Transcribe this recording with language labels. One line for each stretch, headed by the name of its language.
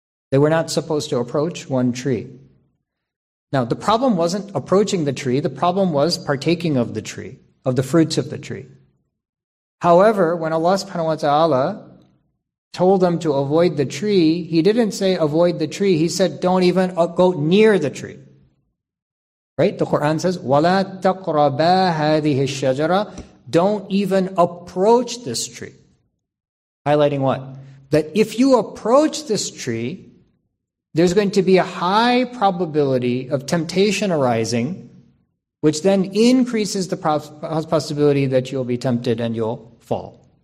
English: They were not supposed to approach one tree. Now, the problem wasn't approaching the tree. The problem was partaking of the tree, of the fruits of the tree. However, when Allah subhanahu wa ta'ala told them to avoid the tree, He didn't say avoid the tree. He said don't even go near the tree. Right? The Quran says,
Arabic: وَلَا تَقْرَبَا هَذِهِ الشَّجَرَةِ.
English: Don't even approach this tree. Highlighting what? That if you approach this tree, there's going to be a high probability of temptation arising, which then increases the possibility that you'll be tempted and you'll fall.